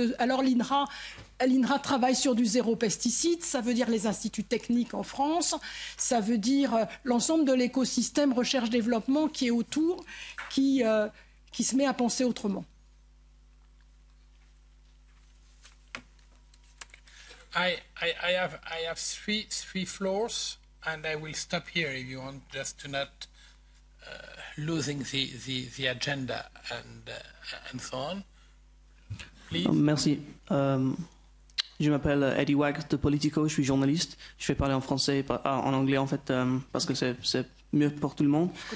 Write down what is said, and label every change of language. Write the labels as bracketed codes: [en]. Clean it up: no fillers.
[fr] Alors l'INRA travaille sur du zéro pesticide, ça veut dire les instituts techniques en France, ça veut dire l'ensemble de l'écosystème recherche-développement qui est autour, qui se met à penser autrement. [en] I have three floors and I will stop here if you want, just to not losing the agenda and so on. Please. [fr] Merci. Je m'appelle Eddie Wag de Politico, je suis journaliste. Je vais parler en français, en anglais en fait, parce que c'est mieux pour tout le monde.